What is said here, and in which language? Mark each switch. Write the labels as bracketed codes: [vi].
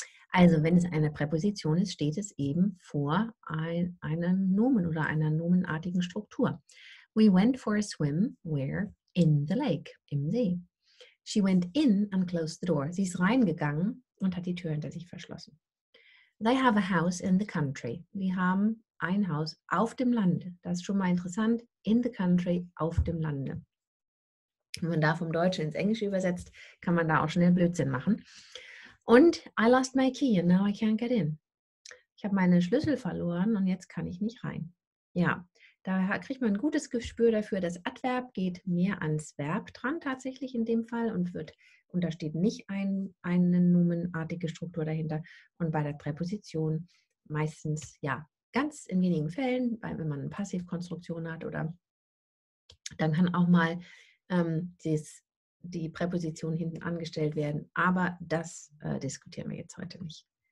[de] Also, wenn es eine Präposition ist, steht es eben vor einem Nomen oder einer nomenartigen Struktur. [en] We went for a swim where? In the lake, [de] im See. [en] She went in and closed the door. [de] Sie ist reingegangen und hat die Tür hinter sich verschlossen. [en] They have a house in the country. [de] Wir haben ein Haus auf dem Lande. Das ist schon mal interessant. [en] In the country, [de] auf dem Lande. Wenn man da vom Deutschen ins Englische übersetzt, kann man da auch schnell Blödsinn machen. [en] Und I lost my key and now I can't get in. [de] Ich habe meine Schlüssel verloren und jetzt kann ich nicht rein. Ja, da kriegt man ein gutes Gespür dafür. Das Adverb geht mehr ans Verb dran tatsächlich in dem Fall und wird, und da steht nicht eine nomenartige Struktur dahinter. Und bei der Präposition meistens, ja, ganz in wenigen Fällen, wenn man eine Passivkonstruktion hat oder dann kann auch mal die Präposition hinten angestellt werden, aber das diskutieren wir jetzt heute nicht.